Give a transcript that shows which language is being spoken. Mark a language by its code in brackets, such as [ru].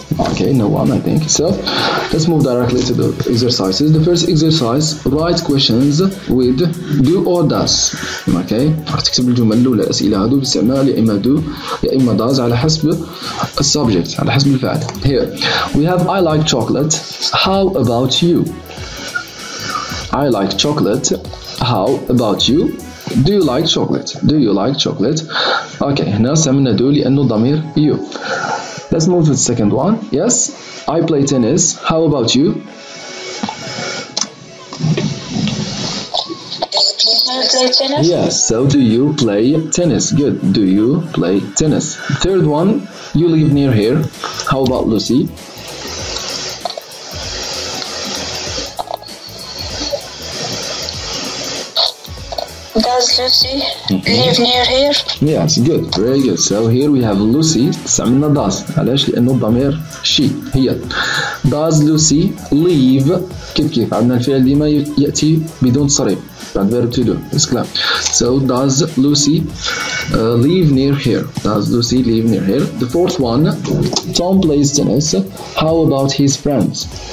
[en] Okay, no one, I think. So let's move directly to the exercises. The first exercise, write questions with do or does. [ar] Okay, تكتب الجمل الأولى الأسئلة هذو باستعمال يا إما do يا إما does على حسب السبجكت على حسب الفعل. [en] Here we have I like chocolate. How about you? I like chocolate. How about you? Do you like chocolate? Do you like chocolate? [ar] Okay, هنا استعملنا do لأنه ضمير you. [en] Let's move to the second one. Yes, I play tennis. How about you? Yes, Do you play tennis? Yes, so do you play tennis? Good. Do you play tennis? Third one, you live near here. How about Lucy? Does Lucy live near here? Yes, good, very good. So here we have Lucy. سمعنا does. [ar] علاش؟ لأنه ضمير she. [en] هي. Does Lucy live? [ar] كيف؟ عندنا الفعل ديما يأتي بدون صريف. [en] بعد verb to do. So does Lucy live near here? Does Lucy live near here? The fourth one. Tom plays tennis. How about his friends?